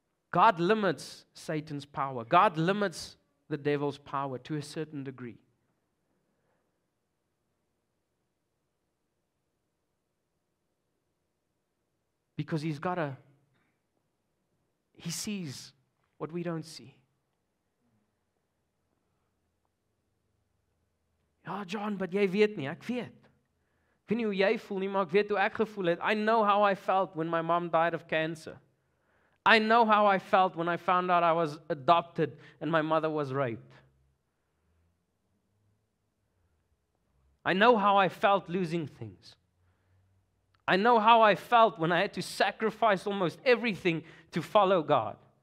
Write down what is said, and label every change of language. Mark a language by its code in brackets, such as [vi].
[en] God limits Satan's power. God limits the devil's power to a certain degree. Because he sees what we don't see. [af] Ja, John, [en] but [af] jy weet nie, ek weet. Ek weet nie hoe jy voel nie, maar ek weet hoe ek gevoel het. [en] I know how I felt when my mom died of cancer. I know how I felt when I found out I was adopted and my mother was raped. I know how I felt losing things. I know how I felt when I had to sacrifice almost everything to follow God.